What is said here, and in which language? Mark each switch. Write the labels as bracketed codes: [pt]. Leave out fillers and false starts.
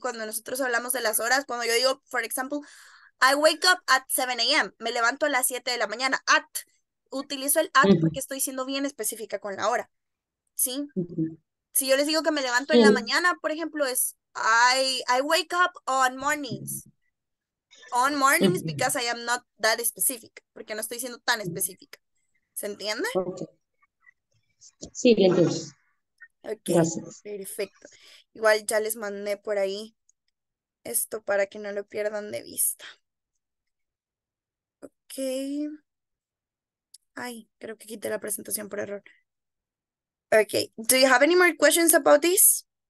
[es] Cuando nosotros hablamos de las horas, cuando yo digo, [en] for example, I wake up at 7 a.m., [es] me levanto a las 7 de la mañana, at. Utilizo el at porque estoy siendo bien específica con la hora. ¿Sí? Si yo les digo que me levanto en la mañana, por ejemplo, es [en] I wake up on mornings. On mornings because I am not that specific. [es] Porque no estoy siendo tan específica. ¿Se entiende? Okay. Sí, bien. Ok, gracias. Perfecto. Igual ya les mandé por ahí esto para que no lo pierdan de vista. Ok. Ay, creo que quité la presentación por error. [en] Okay, do you have any more questions about this?